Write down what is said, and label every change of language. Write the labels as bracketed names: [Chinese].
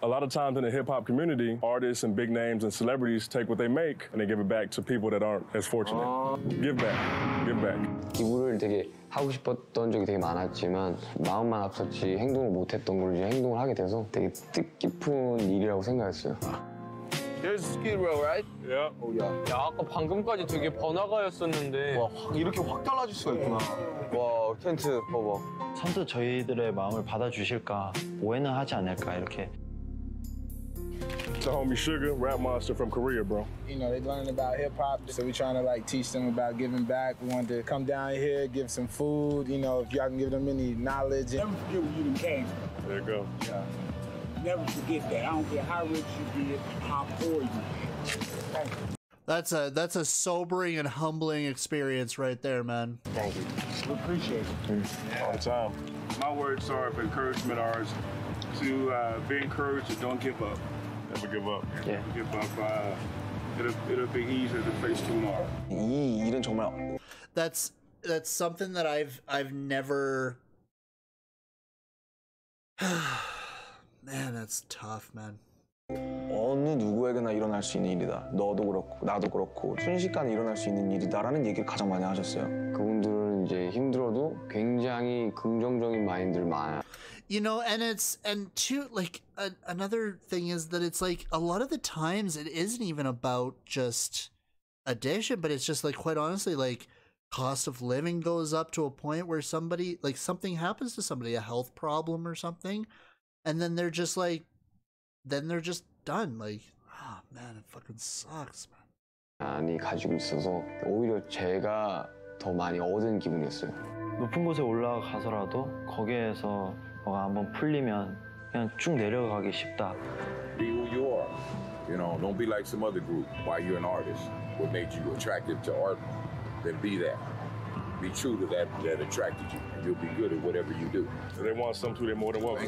[English] A lot of times in the hip-hop community, artists and big names and celebrities take what they make and they give it back to people that aren't as fortunate. Give back. Give back. [Korean] 기부를 되게 하고 싶었던 적이 되게 많았지만 마음만 앞섰지 행동을 못했던 걸 이제 행동을 하게 돼서 되게 뜻깊은 일이라고 생각했어요. [English] There's Skid Row, right? Yeah. Oh, yeah. [Korean] 야, 아까 방금까지 되게 번화가였었는데 와, 확, 이렇게 확 달라질 수가 있구나. 와, 텐트 봐봐. 선수 저희들의 마음을 받아주실까? 오해는 하지 않을까, 이렇게. [English] The homie Sugar, rap monster from Korea, bro. You know, they're learning about hip-hop, so we're trying to, like, teach them about giving back. We want to come down here, give some food, you know, if y'all can give them any knowledge. Never forget where you came. There you go. Yeah. Never forget that. I don't care how rich you be, how poor you be. Thank you. That's a sobering and humbling experience right there, man. Thank you. We appreciate it. Yeah. All the time. My words are of encouragement are to be encouraged and don't give up. Never give up. Yeah. Never give up. It'll be easier to face tomorrow. [Korean] 이 일은 정말. [English] That's something that I've never. Man, that's tough, man. [Korean] 어느 누구에게나 일어날 수 있는 일이다. 너도 그렇고 나도 그렇고 순식간에 일어날 수 있는 일이다라는 얘기를 가장 많이 하셨어요. 그분들은 이제 힘들어도 굉장히 긍정적인 마인드를 많아. [English] You know, and it's and too like another thing is that it's like a lot of the times it isn't even about just addition, but it's just like quite honestly like cost of living goes up to a point where somebody like something happens to somebody, a health problem or something. And then they're just like, then they're just done. Like, ah, oh man, it fucking sucks, man. [Korean] 많이 가지고 있어서 오히려 제가 더 많이 얻은 기분이었어요. 높은 곳에 올라가서라도 거기에서 뭐가 한번 풀리면 그냥 쭉 내려가기 쉽다. [English] Be who you are. You know, don't be like some other group. Why you're an artist? What made you attracted to art? Then be that. Be true to that that attracted you. You'll be good at whatever you do. If they want some too, they're more than welcome.